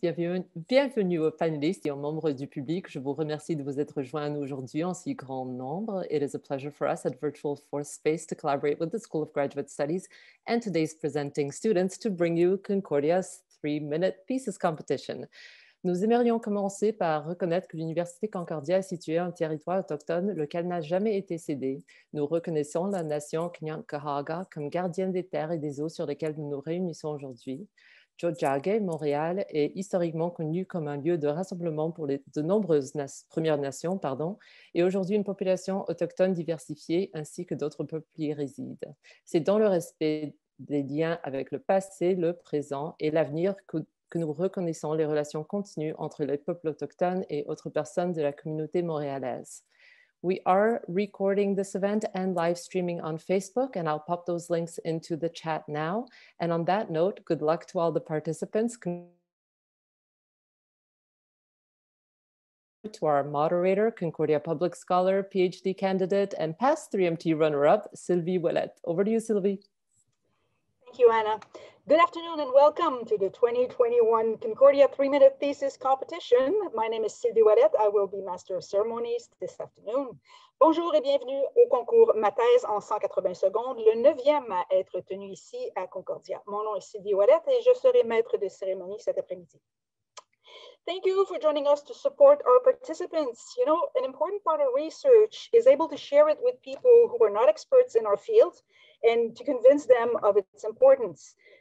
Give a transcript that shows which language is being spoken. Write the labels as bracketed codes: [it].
[fr] Bienvenue aux panélistes et aux membres du public. Je vous remercie de vous être joints à nous aujourd'hui en si grand nombre. [en] It is a pleasure for us at Virtual Fourth Space to collaborate with the School of Graduate Studies and today's presenting students to bring you Concordia's Three Minute Thesis Competition. [fr] Nous aimerions commencer par reconnaître que l'Université Concordia est située en territoire autochtone, lequel n'a jamais été cédé. Nous reconnaissons la nation Kanyankahaga comme gardienne des terres et des eaux sur lesquelles nous nous réunissons aujourd'hui. Jojage, Montréal, est historiquement connu comme un lieu de rassemblement pour de nombreuses Premières Nations, et aujourd'hui une population autochtone diversifiée ainsi que d'autres peuples y résident. C'est dans le respect des liens avec le passé, le présent et l'avenir que nous reconnaissons les relations continues entre les peuples autochtones et autres personnes de la communauté montréalaise. [en] We are recording this event and live streaming on Facebook, and I'll pop those links into the chat now. And on that note, good luck to all the participants. To our moderator, Concordia Public Scholar, PhD candidate, and past 3MT runner-up, Sylvie Ouellet. Over to you, Sylvie. Thank you, Anna. Good afternoon and welcome to the 2021 Concordia 3-Minute Thesis Competition. My name is Sylvie Ouellet. I will be Master of Ceremonies this afternoon. [fr] Bonjour et bienvenue au concours Ma thèse en 180 secondes, le 9e à être tenu ici à Concordia. Mon nom est Sylvie Ouellet et je serai maître de cérémonie cet après-midi. [en] Thank you for joining us to support our participants. You know, an important part of research is able to share it with people who are not experts in our field and to convince them of its importance.